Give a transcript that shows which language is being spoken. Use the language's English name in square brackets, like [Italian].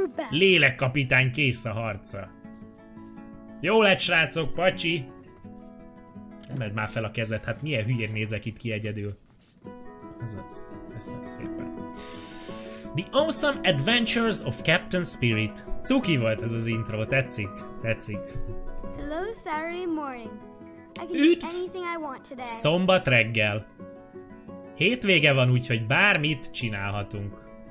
[Hungarian] Lélekkapitány kész a harca. Jó lett, srácok, pacsi! Emeld már fel a kezed, hát milyen hülyén nézek itt ki egyedül. Azaz, köszönöm szépen. The Awesome Adventures of Captain Spirit. Cuki volt ez az intro, tetszik? Tetszik. [English] Hello, Saturday morning. I can do anything I want today. [Hungarian] Szombat reggel. Hétvége van, úgyhogy bármit csinálhatunk.